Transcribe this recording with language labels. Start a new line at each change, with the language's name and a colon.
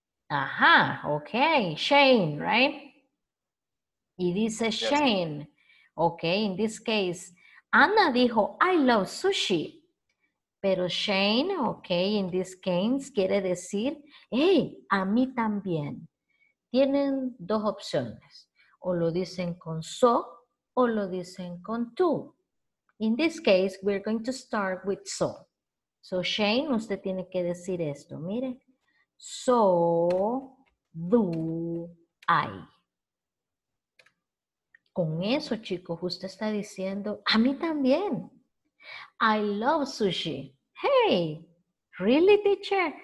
Spanish: Ajá, okay, Shane, right? Y dice Shane, okay, in this case, Ana dijo, I love sushi. Pero Shane, okay, in this case, quiere decir, hey, a mí también. Tienen dos opciones, o lo dicen con so, o lo dicen con tú.
English: In this case, we're going to start with so.
Spanish: So Shane, usted tiene que decir esto, mire. So do I. Con eso, chicos, usted está diciendo, a mí también.
English: I love sushi. Hey, really, teacher?